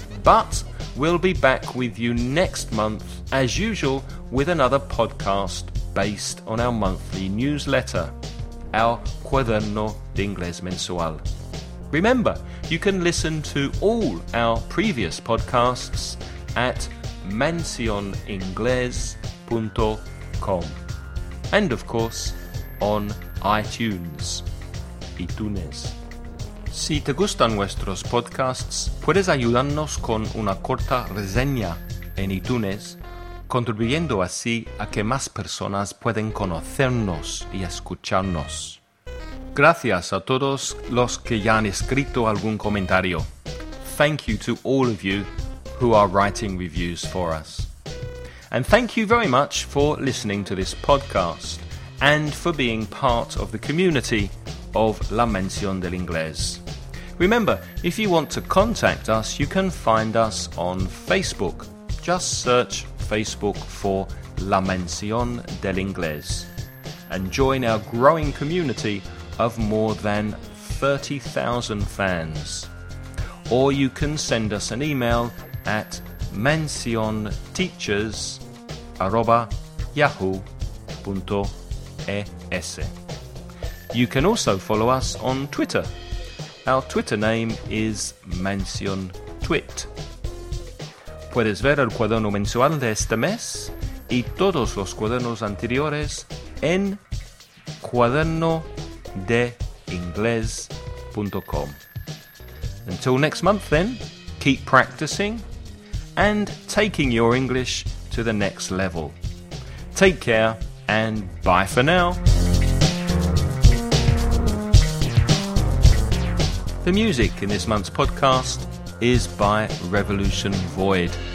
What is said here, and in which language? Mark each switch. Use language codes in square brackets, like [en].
[en] But we'll be back with you next month, as usual, with another podcast based on our monthly newsletter, our Cuaderno de Inglés Mensual. Remember, you can listen to all our previous podcasts at mansioningles.com and, of course, on iTunes. iTunes. [es] Si te gustan nuestros podcasts, puedes ayudarnos con una corta reseña en iTunes, contribuyendo así a que más personas pueden conocernos y escucharnos. Gracias a todos los que ya han escrito algún comentario. [en] Thank you to all of you who are writing reviews for us. And thank you very much for listening to this podcast and for being part of the community of La Mención del Inglés. Remember, if you want to contact us, you can find us on Facebook. Just search Facebook for La Mención del Inglés and join our growing community of more than 30,000 fans. Or you can send us an email at mencionteachers@yahoo.es. You can also follow us on Twitter. Our Twitter name is MencionTwit. [es] Puedes ver el cuaderno mensual de este mes y todos los cuadernos anteriores en cuadernodeingles.com. [en] Until next month then, keep practicing and taking your English to the next level. Take care and bye for now. The music in this month's podcast is by Revolution Void.